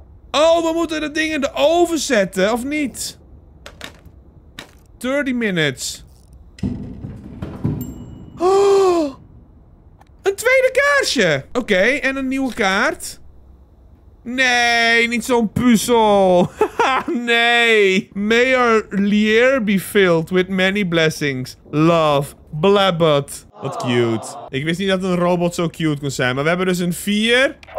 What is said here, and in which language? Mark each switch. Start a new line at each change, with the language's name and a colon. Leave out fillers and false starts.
Dutch: Oh, we moeten dat ding in de oven zetten, of niet? 30 minutes. Oh! Een tweede kaarsje! Oké, okay, en een nieuwe kaart. Nee, niet zo'n puzzel. Nee.
English: May our year be filled with many blessings.
Dutch: Love. Blabbert. Wat cute. Ik wist niet dat een robot zo cute kon zijn. Maar we hebben dus een 4.